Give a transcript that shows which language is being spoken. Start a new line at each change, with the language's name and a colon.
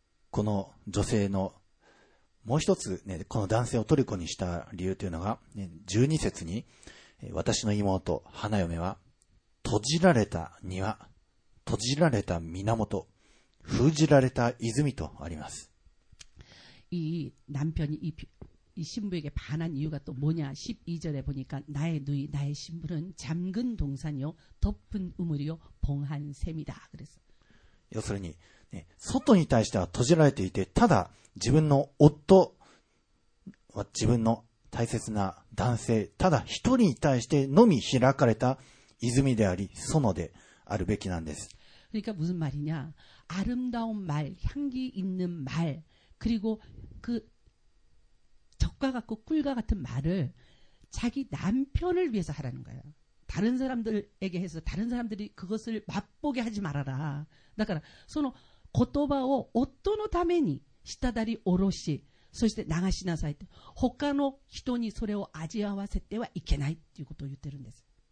Japanese: この女性のもう一つ、ね、この男性を虜にした理由というのが12節に私の妹花嫁は閉じられた庭閉じられた源封じられた泉とあります。
Korean: 이남편이 이신부에게반한이유가또뭐냐12절에보니까나의누이나의신부는잠근동산이요덮은우물이요봉한샘이다그래서
Japanese: 要するに、ね、外に対しては閉じられていてただ自分の夫自分の大切な男性ただ一人に対してのみ開かれた泉であり園であるべきなんです
Korean: 그러니까무슨말이냐아름다운말향기있는말그리고그적과같고꿀과같은말을자기남편을위해서하라는거예요다른사람들에게해서다른사람들이그것을맛보게하지말아라
Japanese: だからその言葉を夫のためにしたたりおろしそして流しなさいって他の人にそれを味わわせてはいけないっていうことを言ってるんです